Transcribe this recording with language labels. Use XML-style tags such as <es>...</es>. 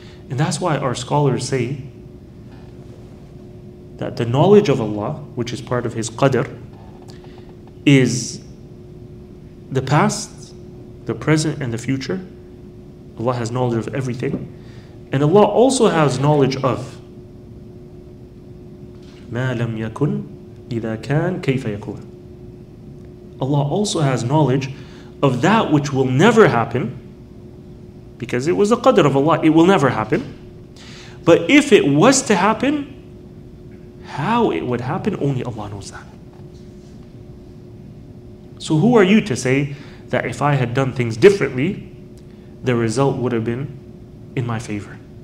<en>And that's why our scholars say that the knowledge of Allah, which is part of His Qadr, is the past, the present, and the future. Allah has knowledge of everything. And Allah also has knowledge of</en> <ar>مَا لَمْ يَكُنْ إِذَا كَانْ كَيْفَ يَكُنْ.</ar> <en>Allah also has knowledge of that which will never happen, because it was the qadr of Allah, it will never happen. But if it was to happen, how it would happen, only Allah knows that. So who are you to say that if I had done things differently, the result would have been in my favor?</en>